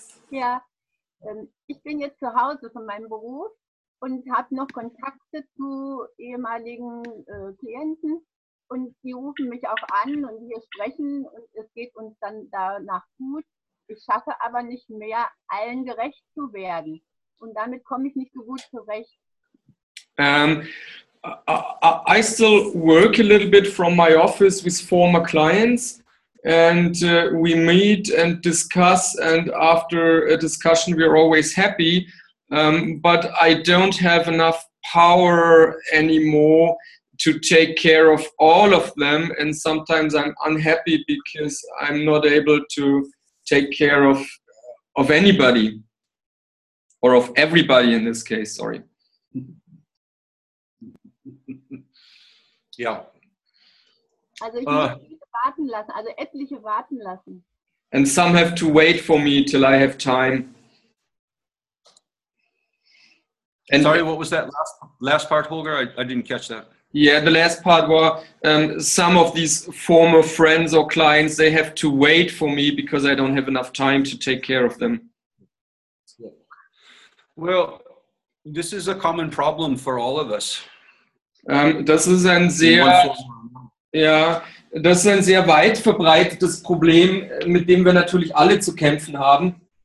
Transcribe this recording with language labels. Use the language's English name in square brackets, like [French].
[German] Ja, ich bin jetzt zu Hause von meinem Beruf und habe noch Kontakte zu ehemaligen Klienten. Und die rufen mich auch an und wir sprechen und es geht uns dann danach gut. Ich schaffe aber nicht mehr, allen gerecht zu werden. Und damit komme ich nicht so gut zurecht. [English] I still work a little bit from my office with former clients, and we meet and discuss, and after a discussion we are always happy, but I don't have enough power anymore to take care of all of them, and sometimes I'm unhappy because I'm not able to take care of anybody, or of everybody in this case, sorry. [German] Ja. Also ich muss viele warten lassen, also etliche warten lassen. [English] And some have to wait for me till I have time. And sorry, what was that last part, Holger? I didn't catch that. Yeah, the last part were some of these former friends or clients, they have to wait for me because I don't have enough time to take care of them. Well, this is a common problem for all of us. [German] Das ist ein sehr weit verbreitetes Problem, mit dem wir natürlich alle zu kämpfen haben.